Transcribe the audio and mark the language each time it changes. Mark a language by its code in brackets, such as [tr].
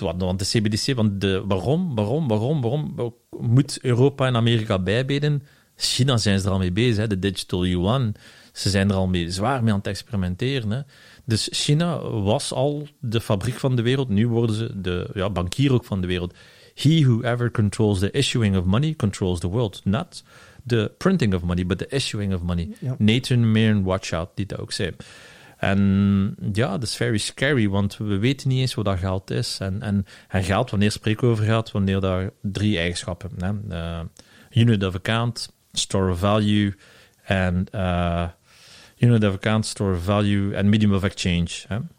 [nl] Want de CBDC, want waarom moet Europa en Amerika bijbeden? China zijn ze er al mee bezig, hè? De digital yuan. Ze zijn er al mee zwaar mee aan het experimenteren. Hè? Dus China was al de fabriek van de wereld. Nu worden ze de bankier ook van de wereld. [en] He who ever controls the issuing of money controls the world. Not the printing of money, but the issuing of money. Yep. [nl] Nathan Mayer, [en] watch out, [nl] die dat ook zei. En ja, dat is [en] very scary, [nl] want we weten niet eens wat dat geld is. En geld, wanneer spreken we over geld? Wanneer daar drie eigenschappen. Hè? [en] Unit of account, store of value, en unit of account, store of value, en medium of exchange. Hè?